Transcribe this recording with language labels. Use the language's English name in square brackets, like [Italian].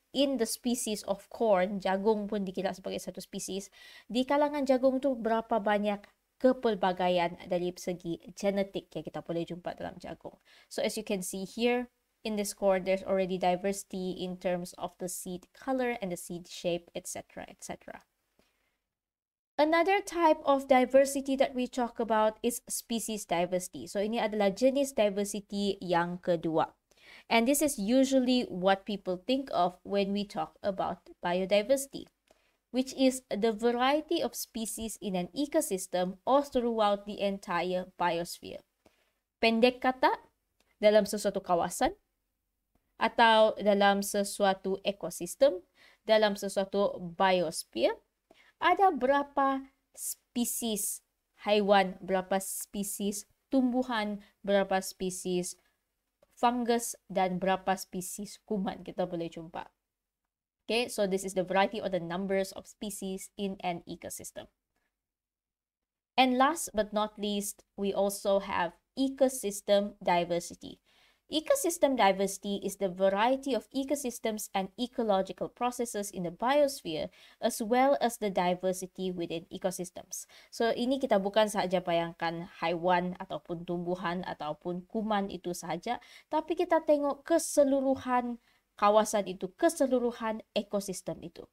[English] In the species of corn, [Malay] jagung pun dikira sebagai satu species, di kalangan jagung tu berapa banyak kepelbagaian dari segi genetik yang kita boleh jumpa dalam jagung. [English] So as you can see here, in this corn, there's already diversity in terms of the seed color and the seed shape, etc., etc. Another type of diversity that we talk about is species diversity. [Malay] So ini adalah jenis diversity yang kedua. [English] And this is usually what people think of when we talk about biodiversity, which is the variety of species in an ecosystem or throughout the entire biosphere. [Malay] Pendek kata, dalam sesuatu kawasan, atau dalam sesuatu ekosistem, dalam sesuatu biosphere, ada berapa species haiwan, berapa species tumbuhan, berapa species fungus, dan berapa species kuman kita boleh jumpa. [English] Okay, so this is the variety or the numbers of species in an ecosystem. And last but not least, we also have ecosystem diversity. Ecosystem diversity is the variety of ecosystems and ecological processes in the biosphere as well as the diversity within ecosystems. [Malay] So ini kita bukan sahaja bayangkan haiwan ataupun tumbuhan ataupun kuman itu sahaja, tapi kita tengok keseluruhan kawasan itu, keseluruhan ekosistem itu.